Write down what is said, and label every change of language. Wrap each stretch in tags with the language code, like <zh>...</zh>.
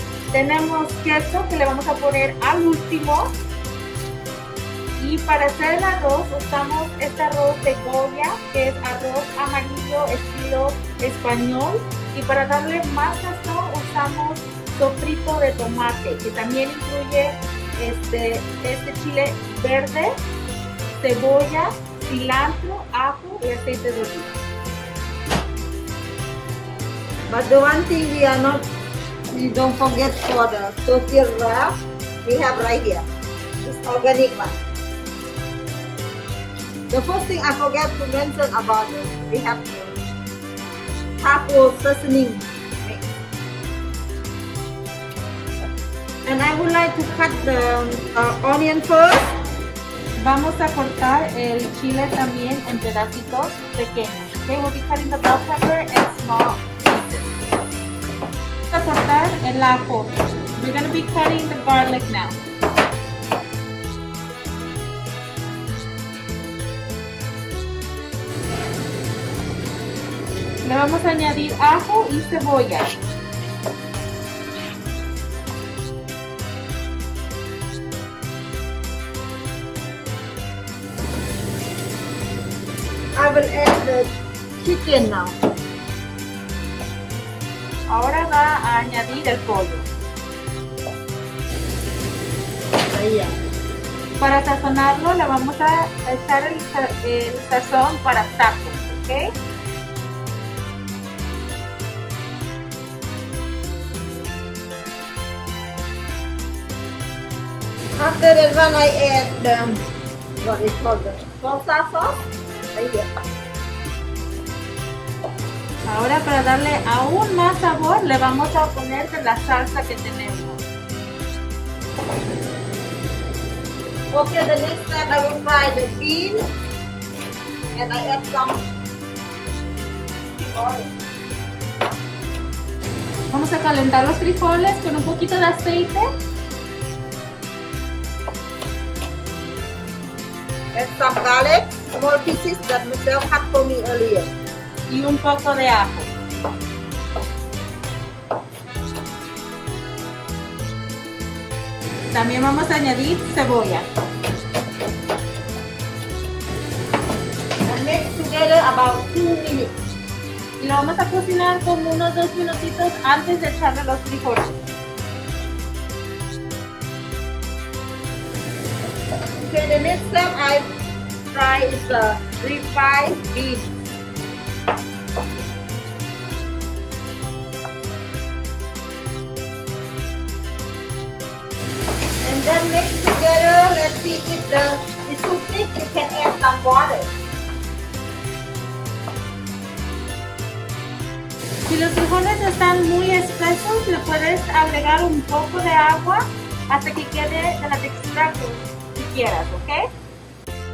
<es>Tenemos queso que le vamos a poner al último. Y para hacer el arroz usamos este arroz de Goya, que es arroz amarillo estilo español. Y para darle más sazón usamos sofrito de tomate, que también incluye este chile verde, cebolla, cilantro, ajo y aceite de oliva.</es> <en>But the one thing we are not, we don't forget for the tortilla wrap, we have right here. This organic one. The first thing I forget to mention about it, we have the taco seasoning. And I would like to cut the onion first.</en> <es>Vamos a cortar el chile también en pedacitos pequeños.</es> <en>Okay, we'll be cutting the bell pepper in small.</en> <es>Cortar el ajo.</es> <en>We're going to be cutting the garlic now.</en> <es>Le vamos a añadir ajo y cebolla.</es> <en>I will add the chicken now.</en> <es>Ahora va a añadir el pollo. Ahí ya. Para sazonarlo le vamos a echar el sazón para tacos, ¿ok?</es> <en>After that one I add the what is called the salsa sauce.</en> <es>Ahí ya. Ahora para darle aún más sabor le vamos a poner la salsa que tenemos.</es> <en>Okay, the next step I will fry the beans and I add some olive oil. Okay, the next one.</en> <es>Vamos a calentar los frijoles con un poquito de aceite.</es> <en>Add some garlic, small pieces that Michelle cut for me earlier.</en> <es>Y un poco de ajo. También vamos a añadir cebolla.</es> <en>Mix together about 2 minutes.</en> <es>Y lo vamos a cocinar como unos 2 minutitos antes de echarle los frijoles.</es> <en>Okay, the next step I try is the refried beef. And then mix together, let's see if the it's too thick, you can add some water.</en> <es>Si los frijoles están muy espesos, le puedes agregar un poco de agua hasta que quede de la textura que quieras, ¿ok?</es>